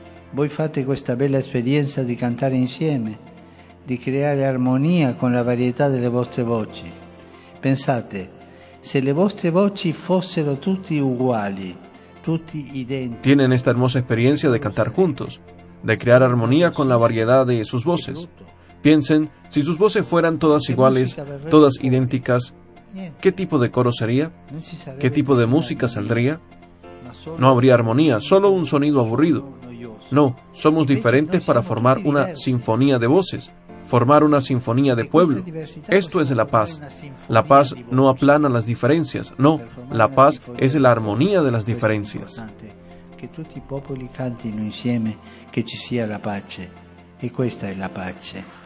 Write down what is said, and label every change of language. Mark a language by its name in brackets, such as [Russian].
[Italian] Voi fate questa bella esperienza di cantare insieme, di creare armonia con la varietà delle vostre voci. Pensate, se le vostre voci fossero tutti uguali, tutti identici. [Spanish] Tienen esta hermosa experiencia de cantar juntos, de crear armonía con la variedad de sus voces. Piensen, si sus voces fueran todas iguales, todas idénticas, ¿qué tipo de coro sería? ¿Qué tipo de música saldría? No habría armonía, solo un sonido aburrido. No, somos diferentes para formar una sinfonía de voces. Formar una sinfonía de pueblo. Esto es la paz. La paz no aplana las diferencias, no, la paz es la armonía de las diferencias. [Italian] Que tutti i popoli cantino insieme, que ci sia la pace, e questa è la pace.